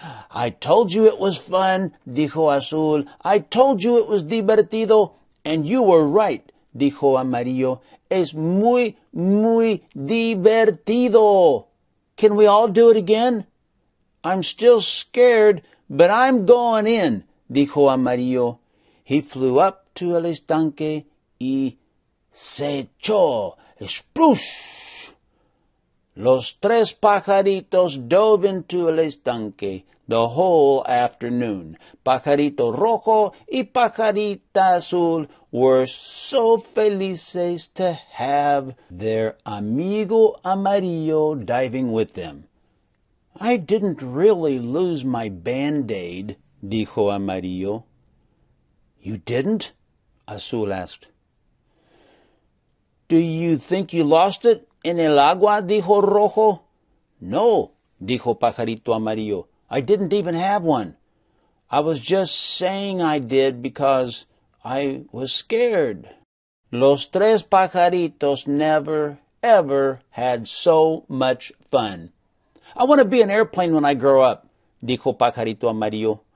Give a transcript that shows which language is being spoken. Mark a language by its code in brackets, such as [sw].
[en] I told you it was fun, [es] dijo Azul. [en] I told you it was divertido, and you were right, [es] dijo Amarillo. Es muy, muy divertido. [en] Can we all do it again? I'm still scared, but I'm going in, [es] dijo Amarillo. [en] He flew up to [es] el estanque y se echó. [en] ¡Splush! [es] Los tres pajaritos [en] dove into [es] el estanque [en] the whole afternoon. Pajarito Rojo y Pajarita Azul were so felices to have their amigo Amarillo diving with them. I didn't really lose my band-aid, dijo Amarillo. You didn't? Azul asked. Do you think you lost it [es] en el agua, dijo Rojo? No, dijo Pajarito Amarillo. [en] I didn't even have one. I was just saying I did because I was scared. [es] Los tres pajaritos [en] never, ever had so much fun. I want to be an airplane when I grow up, [es] dijo [en] Pajarito Amarillo.